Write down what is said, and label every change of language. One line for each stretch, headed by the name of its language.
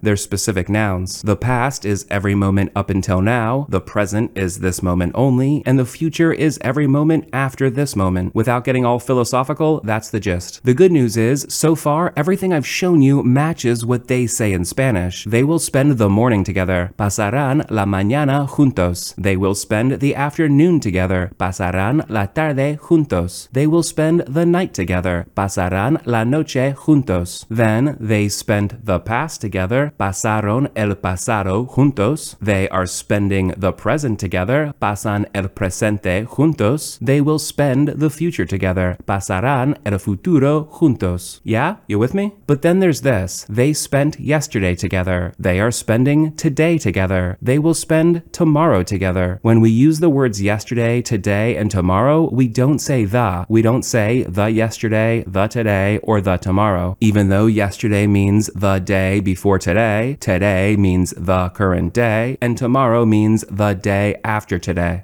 English: They're specific nouns. The past is every moment up until now, the present is this moment only, and the future is every moment after this moment. Without getting all philosophical, that's the gist. The good news is, so far, everything I've shown you matches what they say in Spanish. They will spend the morning together.
Spanish: Pasarán la mañana juntos.
English: They will spend the afternoon together.
Spanish: Pasarán la tarde juntos.
English: They will spend the night together.
Spanish: Pasarán la noche juntos.
English: Then, they spent the past together.
Spanish: Pasaron el pasado juntos.
English: They are spending the present together.
Spanish: Pasan el presente juntos.
English: They will spend the future together.
Spanish: Pasarán el futuro juntos.
English: Yeah? You with me? But then there's this. They spent yesterday together. They are spending today together. They will spend tomorrow together. When we use the words yesterday, today, and tomorrow, we don't say the. We don't say the yesterday, the today, or the tomorrow. Even though yesterday means the day before today, today means the current day, and tomorrow means the day after today.